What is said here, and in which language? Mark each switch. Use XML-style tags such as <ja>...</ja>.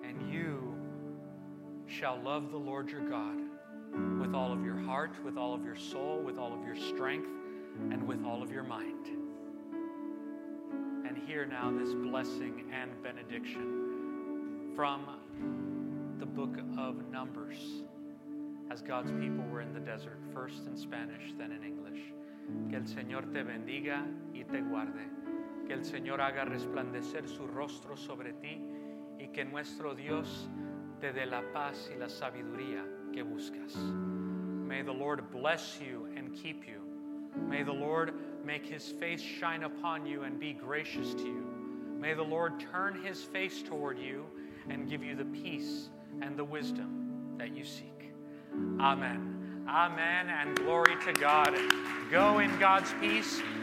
<en>And you shall love the Lord your God with all of your heart, with all of your soul, with all of your strength, and with all of your mind. And hear now this blessing and benediction from the book of Numbers, as God's people were in the desert, first in Spanish, then in English.</en> <es>Que el Señor te bendiga y te guarde. Que el Señor haga resplandecer su rostro sobre ti. Y que nuestro Dios te dé la paz y la sabiduría que buscas.</es> <en>May the Lord bless you and keep you. May the Lord make His face shine upon you and be gracious to you. May the Lord turn His face toward you and give you the peace and the wisdom that you seek. Amen. Amen and glory to God. Go in God's peace.</en>